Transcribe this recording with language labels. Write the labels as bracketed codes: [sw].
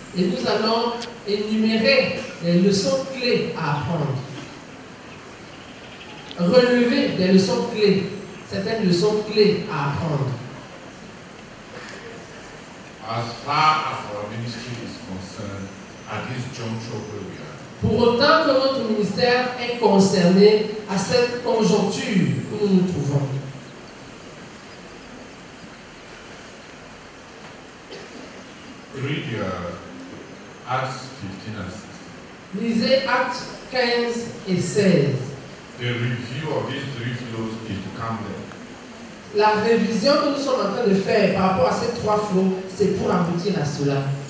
[fr] Et nous allons énumérer les leçons clés à apprendre. Relever des leçons clés, certaines leçons clés à apprendre. [en] As far as our ministry is concerned, at this juncture where we are. [fr] Pour autant que notre ministère terre est concernée à cette conjoncture où nous nous trouvons. [en] Read Acts 15 and 16. [fr] Lisez Actes 15 et 16. [en] The review of these three flows is to come there. [fr] La révision que nous sommes en train de faire par rapport à ces trois flots, c'est pour aboutir à cela.